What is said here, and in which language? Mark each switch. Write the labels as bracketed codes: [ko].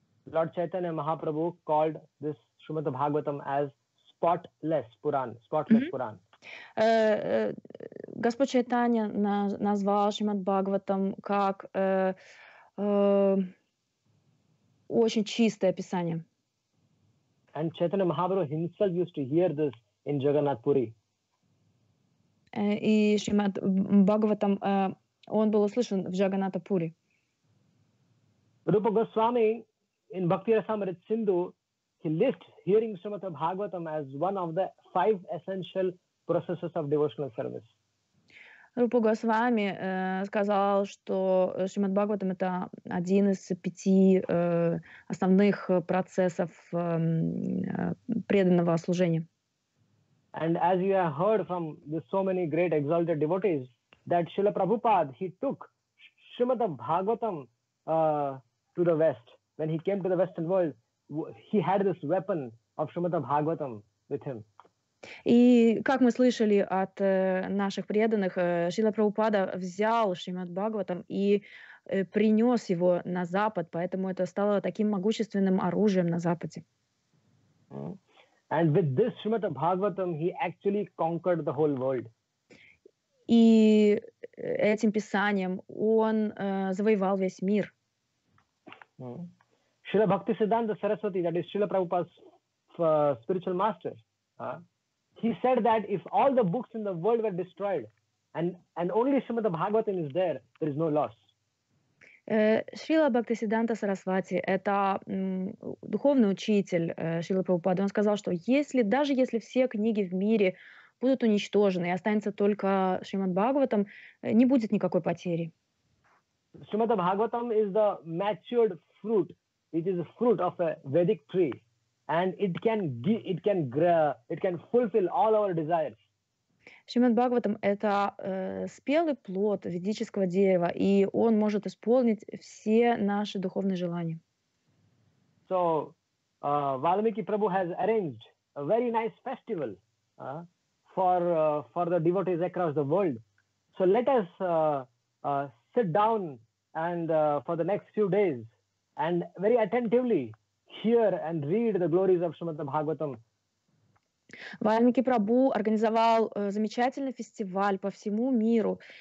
[en] Lord Chaitanya Mahaprabhu called this Shrimad Bhagavatam as spotless Quran. Spotless Quran. [ru] Господь Чайтанья назвал Шримад Бхагаватам как очень чистое писание. [en] And Chaitanya Mahaprabhu himself used to hear this in Jagannath Puri. [ru] И Шримад Бхагаватам, он был услышан в Джаганнатха Пури. [en] Rupa Goswami in Bhakti Rasamrit Sindhu, he lists hearing Shrimad Bhagavatam as one of the five essential processes of devotional service. [ru] Rupa Goswami сказал, что Шримад Бхагаватам — это один из пяти основных процессов преданного служения. [en] And as you have heard from so many great exalted devotees, that Srila Prabhupada, he took Shrimad Bhagavatam to the West. When he came to the Western world, he had this weapon of Shrimad Bhagavatam with him. [ru] И как мы слышали от наших преданных, Шрила Прабхупада взял Шримад Бхагаватам и принес его на Запад, поэтому это стало таким могущественным оружием на Западе. [en] And with this Shrimad Bhagavatam, he actually conquered the whole world. [ru] И этим писанием он завоевал весь мир. [en] Srila Bhaktisiddhanta Saraswati, that is Srila Prabhupada's spiritual master, he said that if all the books in the world were destroyed and only Shrimad Bhagavatam is there, there is no loss. [ru] Шрила Бхактисиддханта Сарасвати — это духовный учитель Шрилы Прабхупады. Он сказал, что даже если все книги в мире будут уничтожены и останется только Шримад Бхагаватам, не будет никакой потери. Шримад Бхагаватам — это [en] matured fruit. It is a fruit of a Vedic tree. And it can fulfill all our desires. [ru] Шримад Бхагаватам – это спелый плод ведического дерева, и он может исполнить все наши духовные желания. [en] So, Valmiki Prabhu has arranged a very nice festival for the devotees across the world. So let us sit down and for the next few days and very attentively hear and read the glories of Shrimad Bhagavatam. [ru] Вальмики Прабу организовал замечательный фестиваль по всему миру.